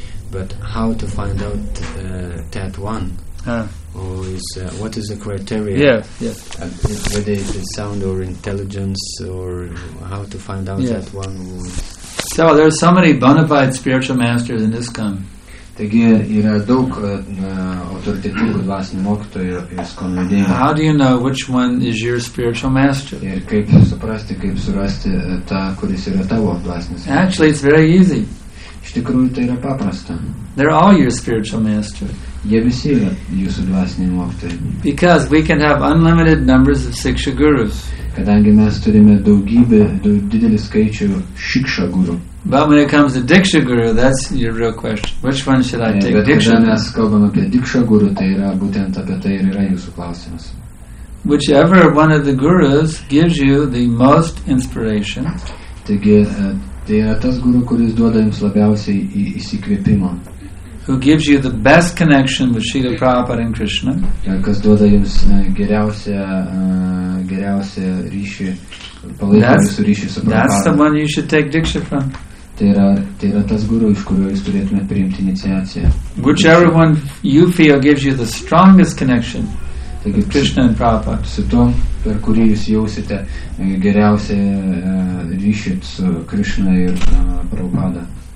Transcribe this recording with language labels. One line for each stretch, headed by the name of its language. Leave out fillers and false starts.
English: But how to find out that one? What is the criteria? Yeah. Whether it is sound or intelligence, or how to find out that one? So there are so many bona fide spiritual masters in ISKCON.
Lithuanian: Taigi yra daug autoritetingų dvasinių mokytojų ir skonvedėjų.
English: How do you know which one is your spiritual master?
Lithuanian: Ir kaip suprasti, kaip surasti tą, kuris yra tavo dvasinis.
English: Actually, it's very easy.
Lithuanian: Iš tikrųjų, tai yra paprasta.
English: They're all your spiritual master.
Lithuanian: Jie visi yra jūsų dvasiniai mokytojai.
English: Because we can have unlimited numbers of siksha gurus.
Lithuanian: Kadangi mes turime daugybę, didelį skaičių šikša guru.
English: But when it comes to Diksha Guru, that's your real question. Which one should I take? Diksha Guru.
Lithuanian: Mes kalbam apie Diksha Guru, tai yra būtent apie tai ir yra jūsų klausimas.
English: Whichever one of the gurus gives you the most inspiration.
Lithuanian: Taigi, tai yra tas guru, kuris duoda jums labiausiai įsikvėpimo.
English: Who gives you the best connection with Srila Prabhupada and Krishna.
Lithuanian: Kas duoda jums geriausią ryšį, palaikymą jūsų ryšį su Prabhupada.
English: That's the one you should take Diksha from.
Lithuanian: Tai yra tas guru, iš kurio jūs turėtumėte priimti iniciaciją.
English: Which everyone you feel gives you the strongest connection taigi, with Krishna and Prabhupada.
Lithuanian: Su tom, per kurį jūs jausite geriausią ryšį su Krishna ir Prabhupada.